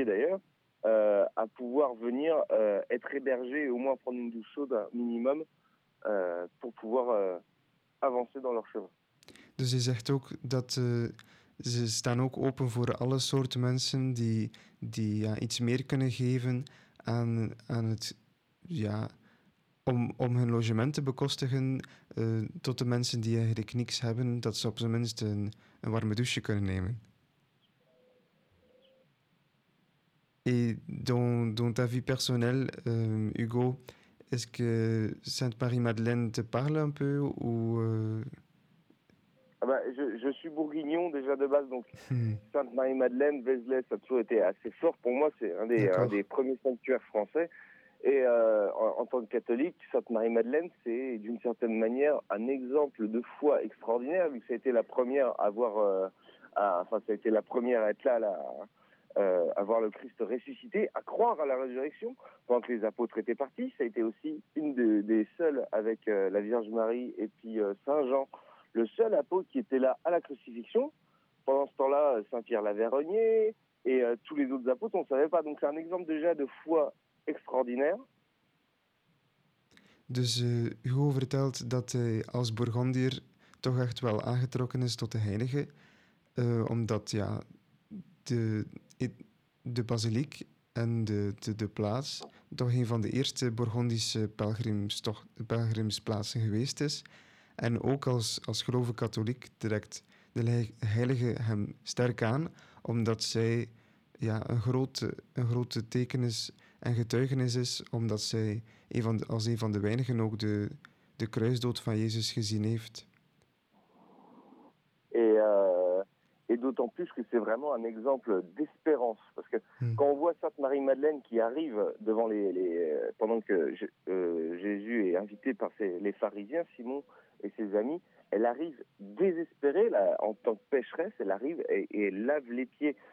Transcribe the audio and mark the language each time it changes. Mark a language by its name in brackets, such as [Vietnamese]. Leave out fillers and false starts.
[French] entier d'ailleurs, à pouvoir venir être hébergés et au moins prendre une douche chaude, un minimum, pour pouvoir avancer dans leur chemin. [Dutch] Dus je zegt ook dat ze staan ook open voor alle soorten mensen die iets meer kunnen geven aan het... Ja, om hun logement te bekostigen, tot de mensen die eigenlijk niks hebben, dat ze op zijn minst een warme douche kunnen nemen. [French] Et dans ta vie personnelle, Hugo, est-ce que Sainte-Marie-Madeleine te parle un peu ou... Ah ben, je suis bourguignon déjà de base, donc Sainte-Marie-Madeleine, Vézelay, ça a toujours été assez fort pour moi, c'est un des premiers sanctuaires français. Et en tant que catholique, Sainte-Marie-Madeleine, c'est d'une certaine manière un exemple de foi extraordinaire, vu que ça a été la première à voir, ça a été la première à être là, à voir le Christ ressuscité, à croire à la résurrection, pendant que les apôtres étaient partis. Ça a été aussi une des seules, avec la Vierge Marie et puis Saint Jean, le seul apôtre qui était là à la crucifixion. Pendant ce temps-là, Saint-Pierre l'avait renié, et tous les autres apôtres, on ne savait pas. Donc c'est un exemple déjà de foi extraordinaire. [Dutch] Dus Hugo vertelt dat hij als Bourgondier toch echt wel aangetrokken is tot de heilige, omdat ja, de basiliek en de plaats toch een van de eerste Bourgondische pelgrimsplaatsen geweest is. En ook als grove katholiek trekt de heilige hem sterk aan, omdat zij ja, een grote teken is en getuigenis is, omdat zij als een van de weinigen ook de kruisdood van Jezus gezien heeft. En [French] et d'autant plus que c'est vraiment un exemple d'espérance. Parce que quand on voit Sainte Marie-Madeleine qui arrive devant pendant que Jésus est invité par les pharisiens, Simon et ses amis, elle arrive désespérée là, en tant que pécheresse, elle arrive et lave les pieds.